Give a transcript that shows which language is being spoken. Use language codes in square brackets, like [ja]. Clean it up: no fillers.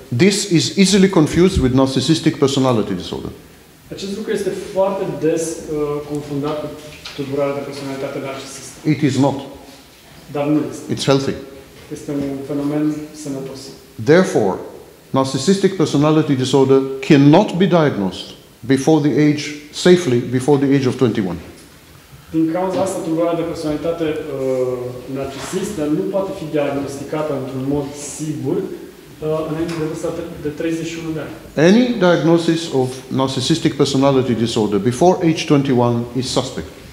[en] This is easily confused with narcissistic personality disorder. [ro] Acest lucru este foarte des confundat cu tulburarea de personalitate narcisistă. [en] It is not. [ro] Dar nu este. [en] It's healthy. [ro] Este un fenomen sănătos. [en] Therefore, narcissistic personality disorder cannot be diagnosed before the age, safely, before the age of 21. [ro] Din cauza asta, tulburarea de personalitate narcisistă nu poate fi diagnosticată într-un mod sigur înainte de vârsta de 31 de ani. [en] Any diagnosis of narcissistic personality disorder before age 21 is suspect.